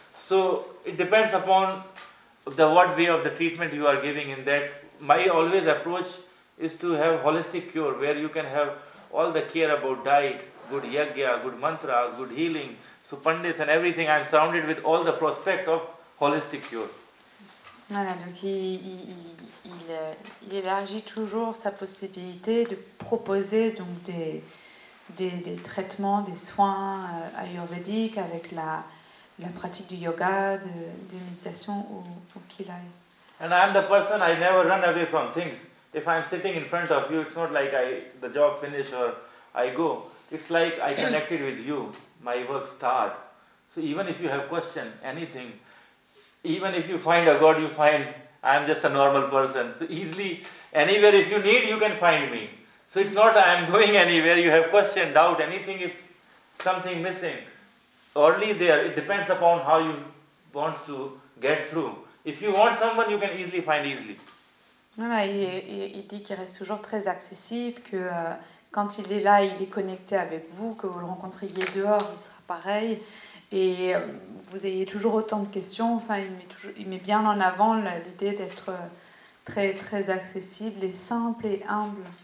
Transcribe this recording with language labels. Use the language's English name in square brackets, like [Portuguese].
[English] So it depends upon the what way of the treatment you are giving in that. My always approach is to have holistic cure where you can have all the care about diet, good yajna, good mantra, good healing. So pandits and everything, I'm surrounded with all the prospect of holistic cure. [French] Voilà, donc il élargit toujours sa possibilité de proposer donc des traitements, des soins ayurvédiques avec la pratique du yoga, de méditation ou qu'il aille. [English] And I'm the person, I never run away from things. If I'm sitting in front of you, it's not like the job finish or I go. It's like I connected with you, my work start. So even if you have question, anything, even if you find a God, you find I'm just a normal person. So easily, anywhere if you need, you can find me. So it's not I'm going anywhere, you have question, doubt, anything, if something missing. Only there, it depends upon how you want to get through. If you want someone, you can easily find easily. [French] Voilà, il dit qu'il reste toujours très accessible, que quand il est là, il est connecté avec vous, que vous le rencontriez dehors, il sera pareil. Et vous ayez toujours autant de questions. Enfin, il met bien en avant l'idée d'être très très accessible et simple et humble.